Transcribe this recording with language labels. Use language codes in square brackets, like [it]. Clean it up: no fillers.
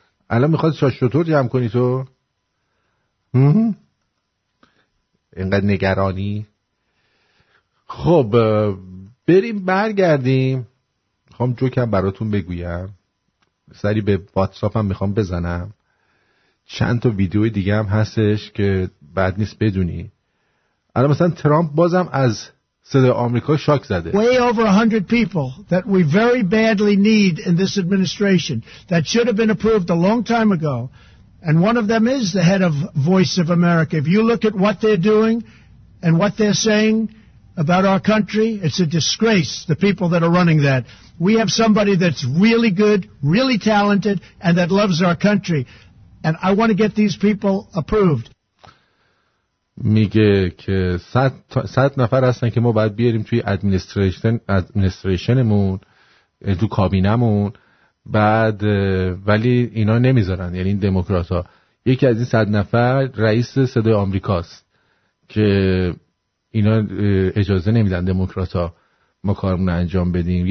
[fa] الان میخواد شاشه شطور جمع کنی تو؟ اینقدر نگرانی؟ خب بریم برگردیم، خواهم جوکم براتون بگویم، سری به واتساپ هم میخوام بزنم، چند تا ویدیو دیگه هم هستش که بد نیست بدونی. الان مثلا ترامپ بازم از صدای آمریکا شاک زده. [en] Way over 100 people that we very badly need in this administration that should have been approved a long time ago, and one of them is the head of Voice of America. If you look at what they're doing and what they're saying, about our country. It's a disgrace, the people that are running that. We have somebody that's really good, really talented, and that loves our country. And I want to get these people approved. [fa] میگه که 100 نفر هستن که ما باید بیاریم توی ادمنستریشنمون تو کابینمون، بعد ولی اینا نمیذارن، یعنی این دموکرات ها. یکی از این 100 نفر رئیس صدای آمریکاست که اینا اجازه نمیدن دموکرات ها ما کارمون انجام بدیم.